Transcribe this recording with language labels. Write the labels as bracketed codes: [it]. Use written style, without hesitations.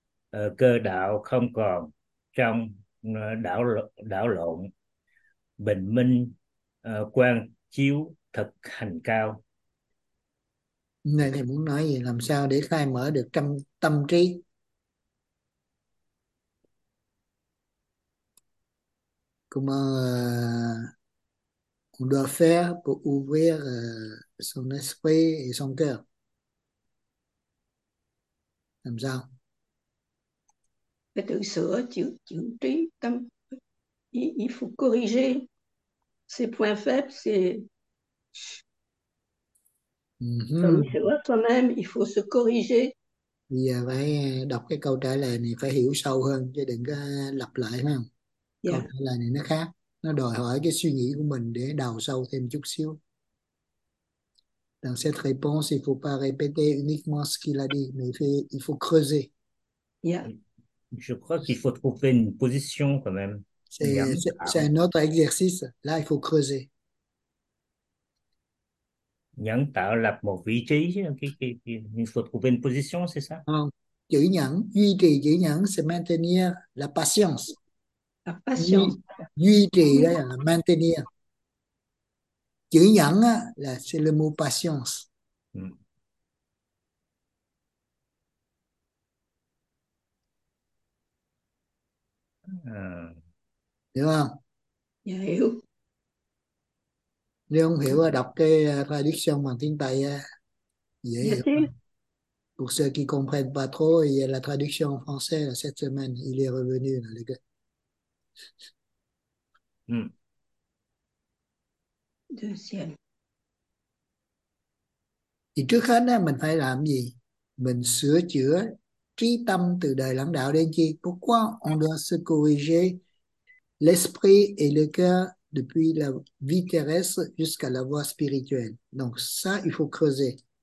[vi] Cơ đạo không còn trong đảo lộn, bình minh quang chiếu thực hành cao. Này thầy muốn nói gì, làm sao để khai mở được trong tâm trí? [fr] Comment on doit faire pour ouvrir son esprit et son cœur? [vi] Làm sao? Phải tự sửa chữa chữ trí tâm, [fr] il faut corriger ses points faibles, [vi] tự sửa [fr] soi-même, il faut se corriger. [vi] Bây giờ phải đọc cái câu trả lời này phải hiểu sâu hơn chứ đừng có lặp lại, phải không? Câu trả lời này nó khác. Nó đòi hỏi cái suy nghĩ của mình để đào sâu thêm chút xíu. [fr] Dans cette réponse, il ne faut pas répéter uniquement ce qu'il a dit, mais il faut creuser. Je crois qu'il faut trouver une position quand même. Il y a C'est un autre exercice. Là, il faut creuser. [vi] nhẫn tạo lập một vị trí, [fr] il faut trouver une position, c'est ça? [vi] Chữ nhẫn, duy trì chữ nhẫn, [fr] c'est maintenir la patience. La [vi] Duy [fr] patience. [vi] trì là maintenir. Chữ nhẫn là [fr] c'est le mot patience. [vi] Hiểu không? Hiểu. Nếu không hiểu đọc cái traduction bằng tiếng Tây dễ [fr] Bien [vi] hiểu. [fr] Pour ceux qui comprennent pas trop, il y a la traduction en français là, cette semaine, il est revenu là, les gars. sûr. Deuxième. [vi] Thì trước hết á, mình phải làm gì? Mình sửa chữa trí tâm từ đời lãnh đạo đến chi. [fr] Pourquoi on doit se corriger l'esprit et le cœur depuis la vie terrestre jusqu'à la voie spirituelle? Donc ça, il faut creuser.